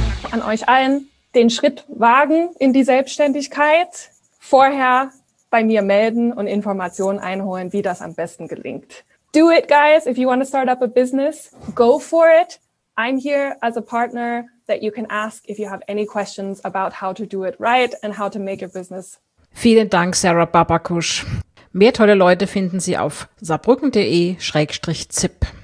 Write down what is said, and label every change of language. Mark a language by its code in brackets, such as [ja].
[de] An euch allen, den Schritt wagen in die Selbstständigkeit, vorher bei mir melden und Informationen einholen, wie das am besten gelingt. [en] Do it, guys, if you want to start up a business, go for it. I'm here as a partner that you can ask if you have any questions about how to do it right and how to make your business. [de] Vielen Dank, Sarah Babakusch. Mehr tolle Leute finden Sie auf saarbrücken.de/zip.